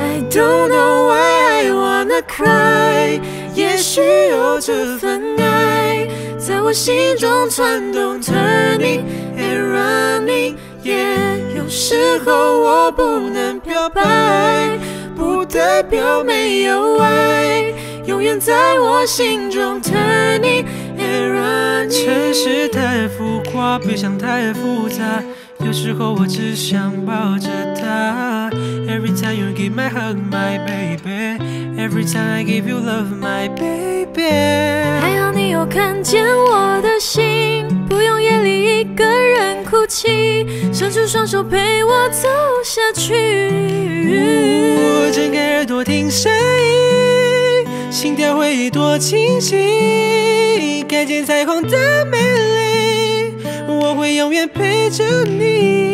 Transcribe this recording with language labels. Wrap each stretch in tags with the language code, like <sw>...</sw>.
<en>Don't know why I wanna cry，</en> <zh>也许有这份爱在我心中窜动，</zh> <en>turning and running， yeah，</en> <zh>有时候我不能表白，不代表没有爱，永远在我心中，</zh> <en>turning and running。</en> <zh>城市太浮夸，别想太复杂，有时候我只想抱着她。</zh> <en>Every time you give my hug, my baby. Every time I give you love, my baby.</en> <zh>还好你有看见我的心，不用夜里一个人哭泣，伸出双手陪我走下去。睁开耳朵听声音，心跳会多清晰，看见彩虹的美丽，我会永远陪着你。</zh>